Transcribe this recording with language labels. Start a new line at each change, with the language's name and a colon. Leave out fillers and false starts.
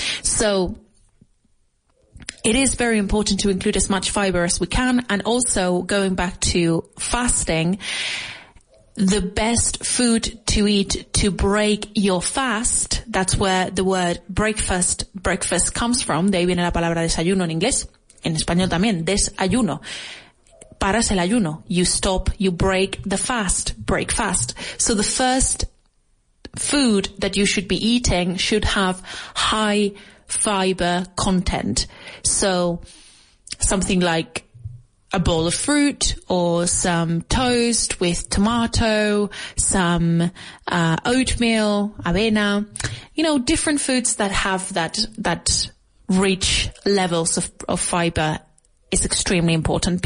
English: So it is very important to include as much fiber as we can. And also, going back to fasting, the best food to eat to break your fast, that's where the word breakfast comes from.
Spanish: De ahí viene la palabra desayuno en inglés. En español también, desayuno. Paras el ayuno.
English: You stop, you break the fast, break fast. So the first food that you should be eating should have high fiber content. So something like a bowl of fruit or some toast with tomato, some oatmeal, avena, you know, different foods that have that rich levels of fiber is extremely important.